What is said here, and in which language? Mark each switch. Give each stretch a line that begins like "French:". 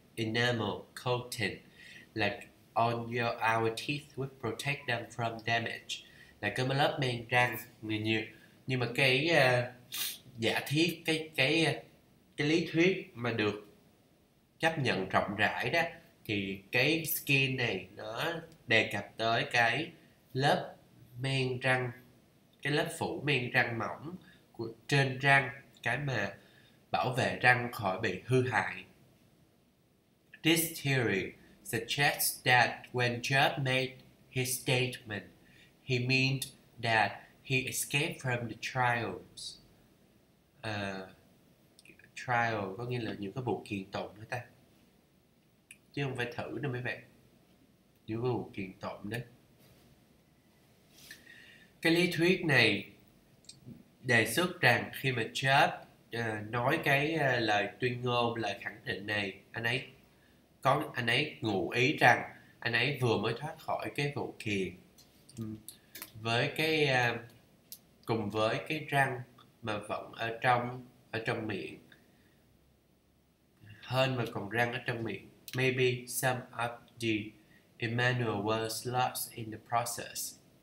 English: Enamel coating like on our teeth would protect them from damage.
Vietnamese: Là cái lớp men răng người nhiều. Nhưng mà cái giả thiết, cái lý thuyết mà được chấp nhận rộng rãi đó thì cái skin này nó đề cập tới cái lớp men răng, cái lớp phủ men răng mỏng của trên răng, cái mà bảo vệ răng khỏi bị hư hại.
English: This theory suggests that when Job made his statement, he meant that he escaped from the trials.
Vietnamese: Trial có nghĩa là những cái vụ kiện tụng đó ta. Chứ không phải thử đâu mấy bạn. Những cái vụ kiện tụng đó. Cái lý thuyết này đề xuất rằng khi mà Job nói cái lời tuyên ngôn, lời khẳng định này, anh ấy ngụ ý rằng anh ấy vừa mới thoát khỏi cái vụ kiện với cái cùng với cái răng mà vẫn ở trong miệng, hơn mà còn răng ở trong miệng.
English: Maybe some of the Emmanuel was lost in the process.